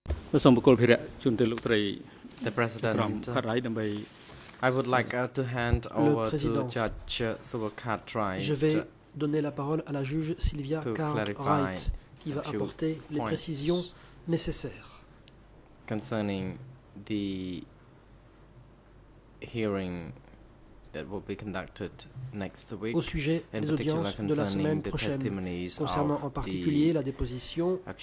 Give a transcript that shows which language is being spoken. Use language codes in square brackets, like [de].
[en] The President, I would like to hand over to Judge Subhakat Wright. [fr] Je vais donner la parole à la juge Sylvia Cartwright, qui va apporter les précisions nécessaires. [en] Concerning the hearing that will be conducted next week, [fr] au sujet des audiences de la semaine prochaine, concernant en particulier la déposition